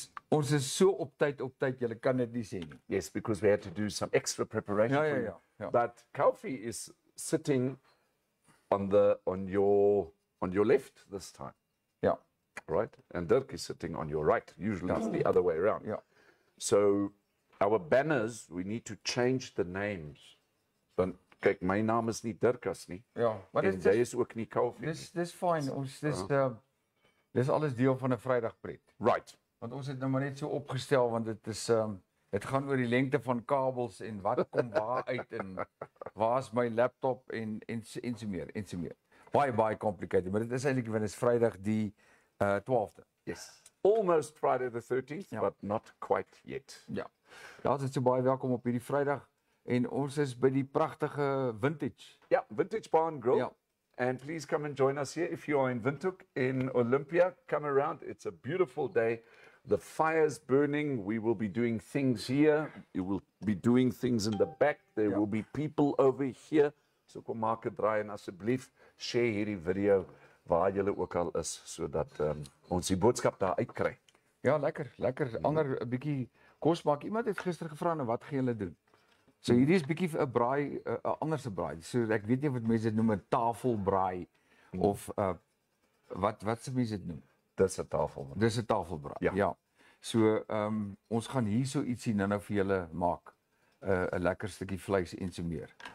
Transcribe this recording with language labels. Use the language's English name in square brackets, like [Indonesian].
[Afrikaans] Ons is so op tyd, jy kan dit nie sê nie. [English] Yes, because we had to do some extra preparation. But Kaufeee is sitting on the on your left this time. Yeah. Right? And Dirk is sitting on your right. Usually it's the other way around. Yeah. So our banners, we need to change the names. [Afrikaans] Want kyk, my naam is nie Dirkas nie. Ja, maar dit is ook nie Kaufeee. Dis fine. Ons dis dis alles deel van 'n Vrydagpret. [English] Right. [Afrikaans] Want ons het nou maar net so opgestel want dit is dit gaan oor die lengte van kabels en wat kom waar uit en waar is my laptop en so meer en so meer. Baie baie complicated, maar dit is eintlik wanneer is Vrydag die 12de. [English] Yes. Almost Friday the 13th, but not quite yet. [Afrikaans] Ja. Ja, dit is so baie welkom op hierdie Vrydag. En ons is by die pragtige Vintage. Ja, Vintage Bar and Grill. Ja. [English] And please come and join us here if you are in Windhoek in Olympia. Come around. It's a beautiful day. The fire's burning. We will be doing things here. You will be doing things in the back. There will be people over here. [Afrikaans] So kom maak 'n draai en asseblief share hierdie video waar julle ook al is sodat ons die boodskap daar uitkry. Ja, lekker, lekker. Ander 'n bietjie kos maak. Iemand het gister gevra en wat gaan julle doen? So hierdie is bietjie 'n braai, 'n anderse braai. So ek weet nie wat mense dit noem 'n tafelbraai of wat se mense dit noem. Dis 'n tafelbraai. Dis 'n tafelbraai. Ja. So ons gaan hier so ietsie nou-nou vir julle maak. 'n Lekker stukkie vleis en so meer.